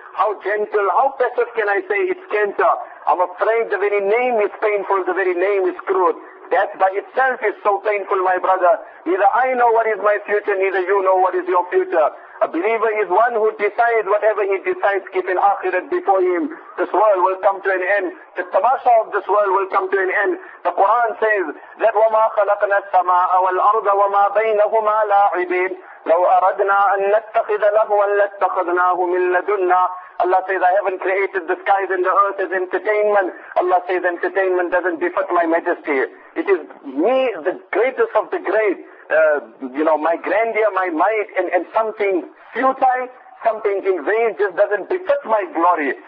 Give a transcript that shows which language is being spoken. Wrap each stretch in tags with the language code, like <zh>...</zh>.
<en>How gentle, how passive can I say it's cancer? I'm afraid the very name is painful, the very name is crude. That by itself is so painful, my brother. Neither I know what is my future, neither you know what is your future. A believer is one who decides whatever he decides, keeping akhirat before him. This world will come to an end. The tamasha of this world will come to an end. The Quran says that</en> <ar>وَمَا خَلَقْنَا السَّمَاءَ وَالْأَرْضَ وَمَا بَيْنَهُمَا لَاعِبِينَ. لَوْ أَرَدْنَا أَن نَتَّخِذَ لَهْوًا لَاتَّخَذْنَاهُ مِنْ لَدُنَّا.</ar> <en>Allah says, I haven't created the skies and the earth as entertainment. Allah says, entertainment doesn't befit my majesty. It is me, the greatest of the great. My grandeur, my might, and something futile, something in vain, just doesn't befit my glory.</en>